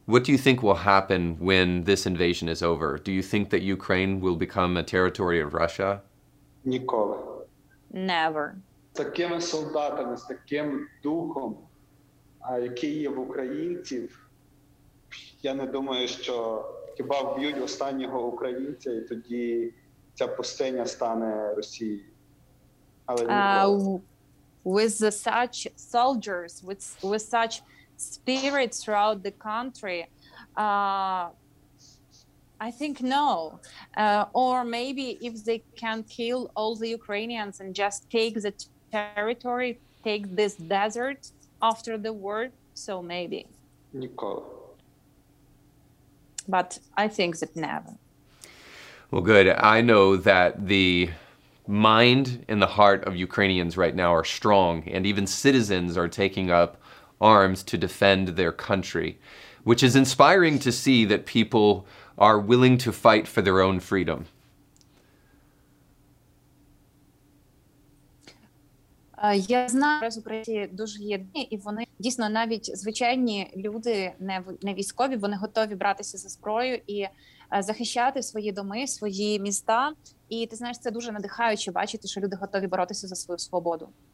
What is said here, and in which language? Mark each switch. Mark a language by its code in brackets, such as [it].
[en] What do you think will happen when this invasion is over? Do you think that Ukraine will become a territory of Russia? [uk] Ніколи. [en] Never. [uk] Такими солдатами, з таким духом, який є в українців, я не думаю, що хіба вб'ють останнього українця, і тоді ця пустиня стане Росією. [en] With such soldiers, with such spirit throughout the country, I think no. Or maybe if they can kill all the Ukrainians and just take the territory, take this desert after the war, so maybe. [uk] Nicole. [en] But I think that never. Well, good. I know that the mind and the heart of Ukrainians right now are strong, and even citizens are taking up arms to defend their country. Which is inspiring to see that people are willing to fight for their own freedom. [uk] Я знаю, зараз в Україні дуже єдині, і вони дійсно навіть звичайні люди, не військові, вони готові братися за зброю і захищати свої доми, свої міста. І ти знаєш, це дуже надихаюче бачити, що люди готові боротися за свою свободу.